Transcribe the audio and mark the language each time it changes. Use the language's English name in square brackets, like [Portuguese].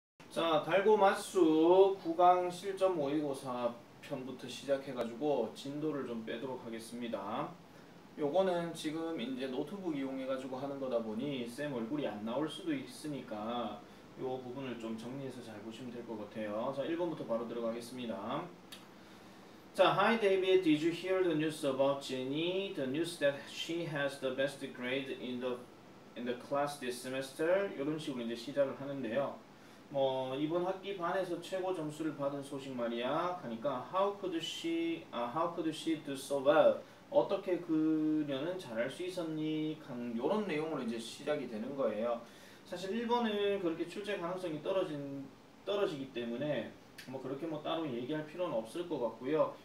[Korean] 자, 달고맛수 구강 실전 모의고사 편부터 시작해가지고 진도를 좀 빼도록 하겠습니다. 요거는 지금 이제 노트북 이용해가지고 하는 거다 보니 쌤 얼굴이 안 나올 수도 있으니까 요 부분을 좀 정리해서 잘 보시면 될것 같아요. 자, 1번부터 바로 들어가겠습니다. [English] 자, Hi David, did you hear the news about Jenny? The news that she has the best grade in the class this semester? [Korean] 이런 식으로 이제 시작을 하는데요. 뭐 이번 학기 반에서 최고 점수를 받은 소식 말이야. 하니까 [English] how could she do so well? [Korean] 어떻게 그녀는 잘할 수 있었니? 이런 내용으로 이제 시작이 되는 거예요. 사실 1번은 그렇게 출제 가능성이 떨어지기 때문에 뭐 그렇게 뭐 따로 얘기할 필요는 없을 것 같고요.